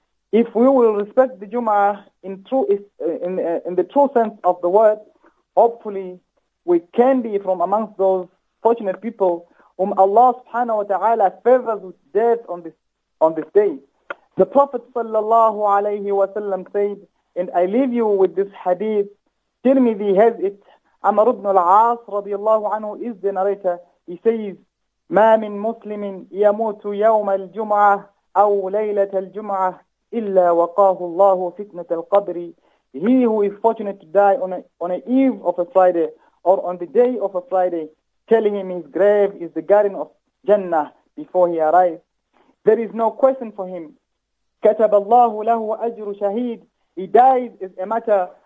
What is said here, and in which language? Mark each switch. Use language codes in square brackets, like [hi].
[en] If we will respect the Jum'ah in the true sense of the word, hopefully we can be from amongst those fortunate people whom Allah subhanahu wa ta'ala favors with death on this day. The Prophet sallallahu alayhi wa sallam said, and I leave you with this hadith, Tirmidhi has it, Amr ibn al-As radiallahu anhu is the narrator. He says, [ar] ما من مسلم يموت يوم الجمعة أو ليلة الجمعة إلا وقاه الله فتنة القبر. [en] He who is fortunate to die on the eve of a Friday or on the day of a Friday, tell him his grave is the garden of Jannah before he arrives. There is no question for him. [ar] كتب الله له أجر شهيد. [en] He dies is a matter.